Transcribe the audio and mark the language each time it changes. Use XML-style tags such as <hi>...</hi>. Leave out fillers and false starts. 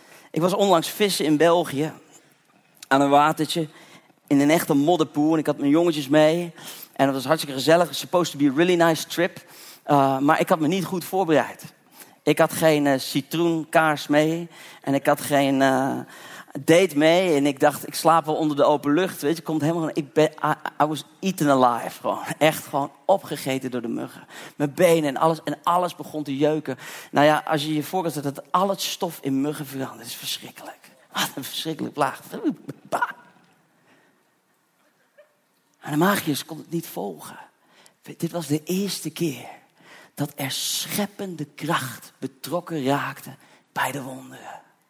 <nl>Ik was onlangs vissen in België aan een watertje in een echte modderpoel. En ik had mijn jongetjes mee en dat was hartstikke gezellig.</nl> <en>It was supposed to be a really nice trip,</en> <nl>maar ik had me niet goed voorbereid. Ik had geen citroenkaars mee en ik had geen deed mee en ik dacht, ik slaap wel onder de open lucht. Weet je, komt helemaal.</nl> <en>I was eaten alive, gewoon.</en> <nl>Echt gewoon opgegeten door de muggen. Mijn benen en alles begon te jeuken. Nou ja, als je je voorstelt dat al het stof in muggen verandert, is verschrikkelijk. Wat een verschrikkelijk plaag. Maar de magiërs kon het niet volgen. Dit was de eerste keer dat er scheppende kracht betrokken raakte bij de wonderen.</nl>